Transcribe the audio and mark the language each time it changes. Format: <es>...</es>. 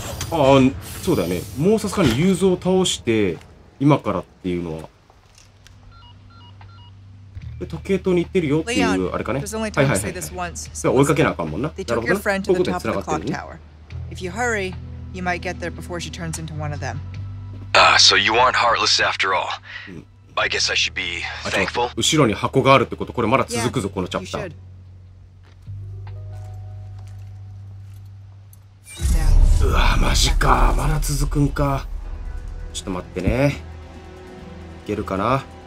<ja>ああ、そうだね、もうさすがに雄三を倒して今からっていうのは、時計塔に行ってるよっていうあれかね。はいはいはい、それは追いかけなあかんもんな。なるほど、ね、こういうことにつながってるね。</ja> <en>If you hurry, you might get there before she turns into one of them. Ah, so you aren't heartless after all. I guess I should be thankful.</en> <ja>後ろに箱があるってこと、これまだ続くぞ、このチャプター。うわ、マジか、まだ続くんか。ちょっと待ってね、いけるかな。</ja>